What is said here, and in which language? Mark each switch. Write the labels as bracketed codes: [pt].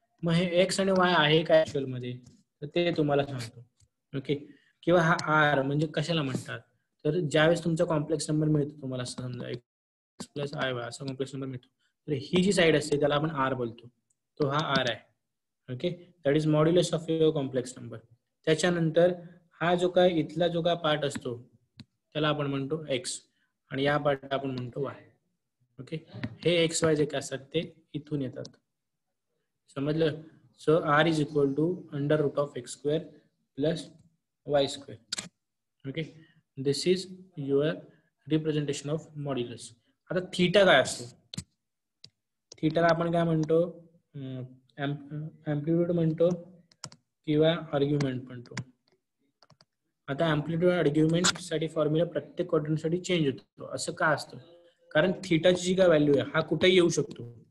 [mr] मग हे एक्स आणि वाय आहे काय ऍक्च्युअल मध्ये, तर ते तुम्हाला सांगतो, ओके, किंवा हा आर म्हणजे कशाला म्हणतात, तर ज्यावेळेस तुमचा कॉम्प्लेक्स नंबर मिळतो तुम्हाला, समजा एक्स प्लस आय वाय असा कॉम्प्लेक्स नंबर मिळतो, तर ही जी साईड असते त्याला आपण आर बोलतो, तो हा आर आहे, okay, [en] That is modulus of your complex number. [mr] त्याच्यानंतर हा जो काय इथला जो काय पार्ट असतो त्याला आपण म्हणतो एक्स आणि या पार्ट आपण म्हणतो वाय, ओके, हे एक्स वाय जे काय असतात ते इथून येतात, समजलं. [en] So r is equal to under root of x square plus y square, okay, this is your representation of modulus. [mr] आता थीटा काय असतो, थीटाला आपण काय म्हणतो, अँप्लिट्यूड म्हणतो किंवा आर्ग्युमेंट म्हणतो. आता अँप्लिट्यूड आर्ग्युमेंट साठी फॉर्म्युला प्रत्येक क्वाड्रंट साठी चेंज होतो, असं का असतं, कारण थीटाची जी काय व्हॅल्यू आहे हा कुठेही येऊ शकतो.